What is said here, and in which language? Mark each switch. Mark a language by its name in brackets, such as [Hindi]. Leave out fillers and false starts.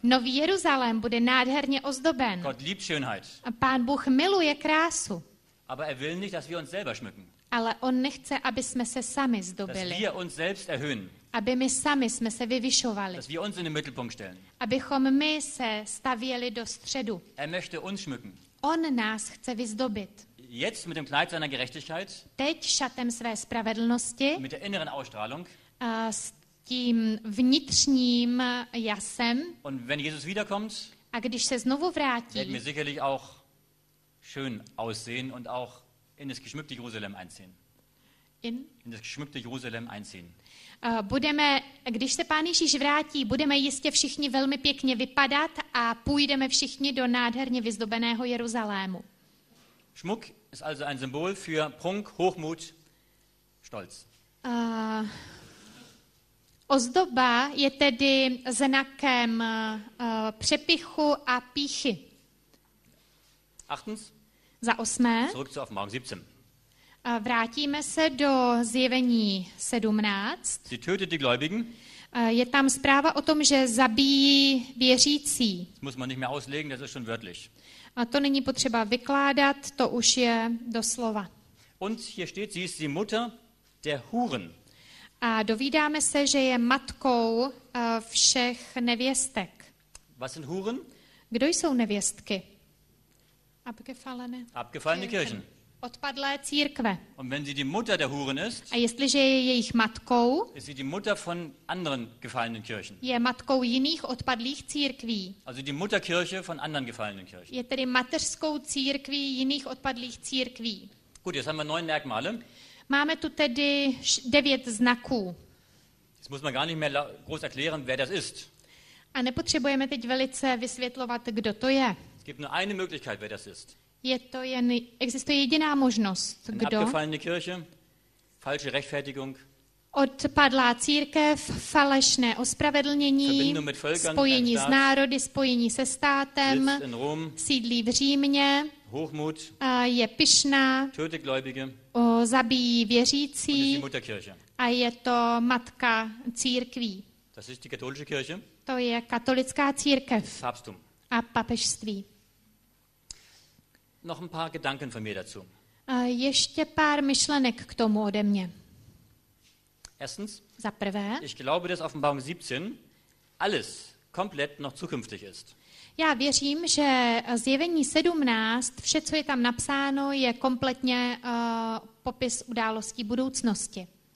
[Czech] Nový Jeruzalém bude nádherně ozdoben. [German] Gott liebt Schönheit. [Czech] Pán Bůh miluje krásu. [German] Aber er will nicht, dass wir uns selber schmücken. [Czech] Ale on nechce, aby jsme se sami zdobili. [German] Dass wir uns selbst erhöhen. [Czech] Aby my sami jsme se vyvyšovali. [German] Dass wir uns in den Mittelpunkt stellen. [Czech] Abychom my se stavěli do středu. [German] Er möchte uns schmücken. [Czech] On nás chce vyzdobit. [German] Jetzt mit dem Kleid seiner Gerechtigkeit. [Czech] Teď šatem své spravedlnosti. [German] Mit der inneren Ausstrahlung. [Czech] S tím vnitřním jasem. [German] Und wenn Jesus wiederkommt. [Czech] A když se znovu vrátí. [German] Wird mir sicherlich auch schön aussehen und auch in das geschmückte Jerusalem einziehen. In das geschmückte Jerusalem einziehen. [Czech] Budeme, když se Pán Ježíš vrátí, budeme jistě všichni velmi pěkně vypadat a půjdeme všichni do nádherně vyzdobeného Jeruzalému. [German] Schmuck ist also ein Symbol für Prunk, Hochmut, Stolz. [Czech] Ozdoba je tedy znakem přepichu a píchy. [German] Achtens. [Czech] Za osmé. [German] Zurück zu Offenbarung 17. [Czech] Vrátíme se do Zjevení 17. [German] Sie tötet die Gläubigen. [Czech] Je tam zpráva o tom, že zabíjí věřící. [German] Das muss man nicht mehr auslegen, das ist schon wörtlich. [Czech] A to není potřeba vykládat, to už je doslova. [German] Und hier steht, sie ist die Mutter der Huren. [Czech] A dovídáme se, že je matkou všech nevěstek. [German] Was sind Huren? [Czech] Kdo jsou nevěstky? [German] Abgefallene. Abgefallene Kirchen. [Czech] Odpadlé církve. [German] Und wenn sie die Mutter der Huren ist, [Czech] a jestliže je jejich matkou, [German] ist sie die Mutter von anderen gefallenen Kirchen. [Czech] Je matkou jiných odpadlých církví. [German] Also die Mutterkirche von anderen gefallenen Kirchen. [Czech] Je tedy mateřskou církví jiných odpadlých církví. [German] Gut, jetzt haben wir 9 Merkmale. [Czech] Máme tu tedy 9 znaků. [German] Das muss man gar nicht mehr groß erklären, wer das ist. [Czech] A nepotřebujeme teď velice vysvětlovat, kdo to je. [German] Es gibt nur eine Möglichkeit, wer das ist. [Czech] Je to jen, existuje jediná možnost, kdo? [German] Abgefallene Kirche, falsche Rechtfertigung. [Czech] Odpadlá církev, falešné ospravedlnění, [German] Verbindung mit Völkern, [Czech] spojení s národy, spojení se státem, [German] sitzt in Rom, [Czech] sídlí v Římě, [German] Hochmut, [Czech] je pyšná, [German] tötet Gläubige, [Czech] zabíjí věřící [German] und ist die Mutterkirche. [Czech] A je to matka církví. [German] Das ist die katolische Kirche. [Czech] To je katolická církev [German] Papstum. [Czech] A papežství. [German] Noch ein paar Gedanken von mir dazu. [Czech] Ještě pár myšlenek k tomu ode mě. [German] Erstens, [Czech] za prvé, [German] ich glaube, dass Offenbarung 17 alles komplett noch zukünftig ist. [Czech] Já věřím, že Zjevení 17, vše, co je tam napsáno, je kompletně popis událostí budoucnosti.